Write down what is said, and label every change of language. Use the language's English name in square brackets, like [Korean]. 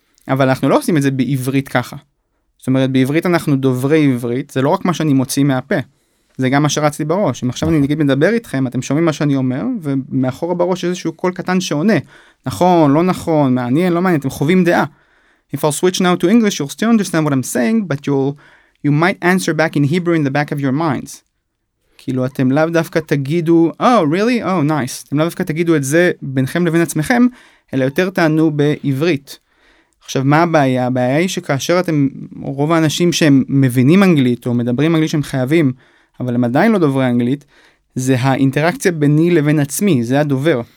[Hebrew] אבל אנחנו לא עושים את זה בעברית ככה. זאת אומרת, בעברית אנחנו דוברי עברית, זה לא רק מה שאני מוציא מהפה. זה גם מה שרצתי בראש. אם עכשיו אני נגיד מדבר איתכם, אתם שומעים מה שאני אומר, ומאחור בראש יש איזשהו קול קטן שעונה. נכון, לא נכון, מעניין, לא מעניין, אתם חווים דעה. [English] If I'll switch now to English, you'll still understand what I'm saying, but you might answer back in Hebrew in the back of your minds. [Hebrew] כאילו, אתם לאו דווקא תגידו, [English] oh, really? Oh, nice. [Hebrew] אתם לאו דווקא תגידו את זה ביניכם לבין עצמכם, אלא יותר תענו בעברית. עכשיו, מה הבעיה? הבעיה היא שכאשר אתם, רוב האנשים שהם מבינים אנגלית, או מדברים אנגלית שהם חייבים, אבל הם עדיין לא דוברי אנגלית, זה האינטראקציה ביני לבין עצמי, זה הדובר.